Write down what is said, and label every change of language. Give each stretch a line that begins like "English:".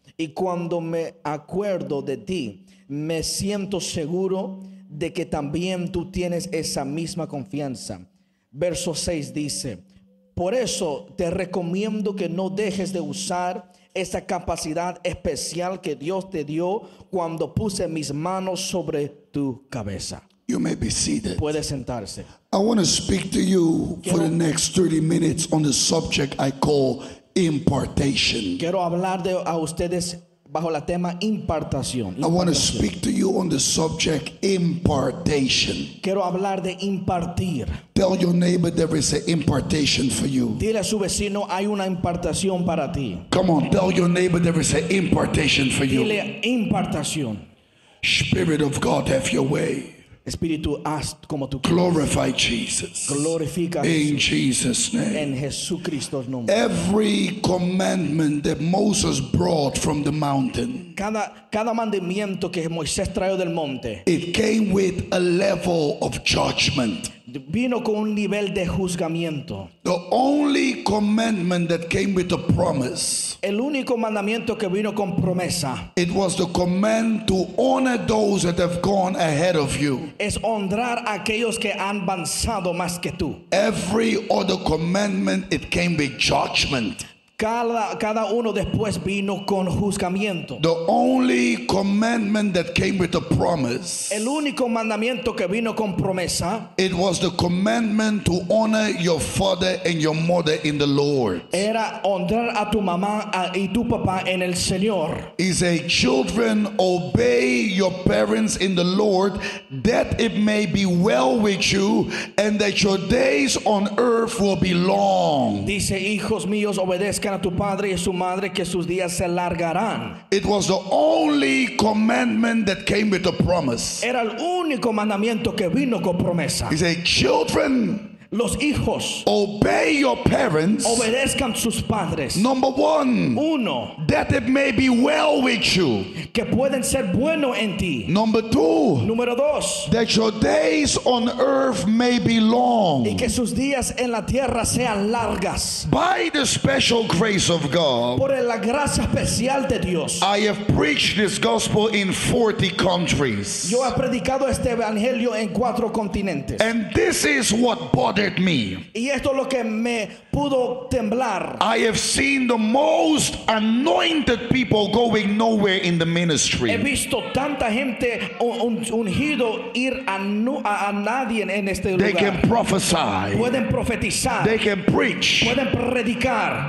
Spanish: Y cuando me acuerdo de ti, me siento seguro de que también tú tienes esa misma confianza. Verso 6 dice, por eso te recomiendo que no dejes de usar esa capacidad especial que Dios te dio cuando puse mis manos sobre tu cabeza.
English: You may be seated.
Spanish: Puede sentarse.
English: I want to speak to you for the next 30 minutes on the subject I call impartation.
Spanish: Quiero hablar de a ustedes bajo la tema impartación.
English: I want to speak to you on the subject impartation.
Spanish: Quiero hablar de impartir.
English: Tell your neighbor there is an impartation for you.
Spanish: Dile a su vecino hay una impartación para ti.
English: Come on, tell your neighbor there is an impartation for you.
Spanish: Dile impartación.
English: Spirit of God, have your way.
Spanish: Espíritu, haz como tú quieres.
English: Glorify Jesus.
Spanish: Glorifica
English: in Jesus' name.
Spanish: En Jesucristo's nombre.
English: Every commandment that Moses brought from the mountain.
Spanish: Cada mandamiento que Moisés trajo del monte.
English: It came with a level of judgment.
Spanish: Vino con un nivel de juzgamiento.
English: The only commandment that came with a promise.
Spanish: El único mandamiento que vino con promesa.
English: It was the command to honor those that have gone ahead of you.
Spanish: Es honrar a aquellos que han avanzado más que tú.
English: Every other commandment, it came with judgment.
Spanish: Cada uno después vino con juzgamiento.
English: The only commandment that came with a promise.
Spanish: El único mandamiento que vino con promesa.
English: It was the commandment to honor your father and your mother in the Lord.
Spanish: Era honrar a tu mamá y tu papá en el Señor.
English: He said, children, obey your parents in the Lord, that it may be well with you, and that your days on earth will be long.
Spanish: Dice, hijos míos, obedezcan a tu padre y su madre, que sus días se alargarán.
English: It was the only commandment that came with a promise.
Spanish: Era el único mandamiento que vino con promesa.
English: He said, children,
Spanish: los hijos,
English: obey your parents.
Spanish: Obedezcan sus padres.
English: Number one,
Spanish: uno,
English: that it may be well with you.
Spanish: Que pueden ser bueno en ti.
English: Number two,
Spanish: número dos,
English: that your days on earth may be long.
Spanish: Y que sus días en la tierra sean largas.
English: By the special grace of God,
Spanish: por la gracia especial de Dios,
English: I have preached this gospel in 40 countries.
Spanish: Yo he predicado este evangelio en 4 continentes.
English: And this is what bothered me.
Spanish: Y esto es lo que me pudo temblar.
English: I have seen the most anointed people going nowhere in the ministry.
Spanish: He visto tanta gente ungido ir a nadie en este lugar.
English: They can prophesy.
Spanish: Pueden profetizar.
English: They can preach.
Spanish: Pueden predicar.